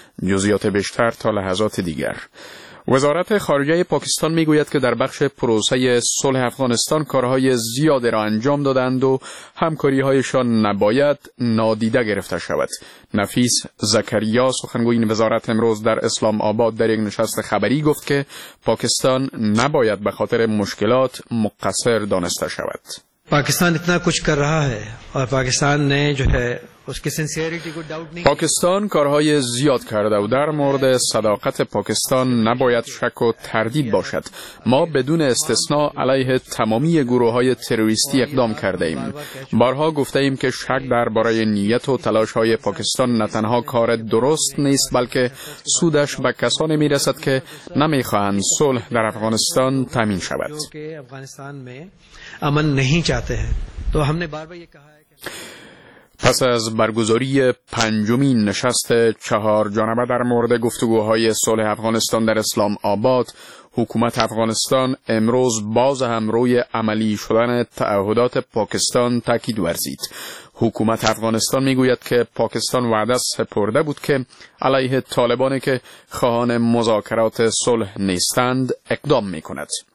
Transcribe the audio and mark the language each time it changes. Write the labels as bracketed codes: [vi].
[fa] جزئیات بیشتر تا لحظات دیگر. وزارت خارجه پاکستان میگوید که در بخش پروسه صلح افغانستان کارهای زیادی را انجام دادند و همکاری‌هایشان نباید نادیده گرفته شود. نفیس زکریا سخنگوی این وزارت امروز در اسلام آباد در یک نشست خبری گفت که پاکستان نباید به خاطر مشکلات مقصر دانسته شود. [ur] پاکستان اتنا کچھ کر رہا ہے اور پاکستان نے جو ہے اس کی سنسیریٹی کو ڈاؤٹ نہیں. [fa] پاکستان کارهای زیاد کرده و در مورد صداقت پاکستان نباید شک و تردید باشد. ما بدون استثناء علیه تمامی گروه های تروریستی اقدام کرده ایم. بارها گفته ایم که شک در باره نیت و تلاش های پاکستان نه تنها کار درست نیست، بلکه سودش به کسانی می رسد که نمی خواهند صلح در افغانستان تامین شود. [ur] امن نہیں چاہتے ہیں تو ہم نے بار بار یہ کہا ہے کہ [fa] پس از برگزاری پنجمین نشست چهار جانبه در مورد گفتگوهای صلح افغانستان در اسلام آباد، حکومت افغانستان امروز باز هم روی عملی شدن تعهدات پاکستان تاکید ورزید. حکومت افغانستان میگوید که پاکستان وعده سپرده بود که علیه طالبانی که خواهان مذاکرات صلح نیستند اقدام میکند.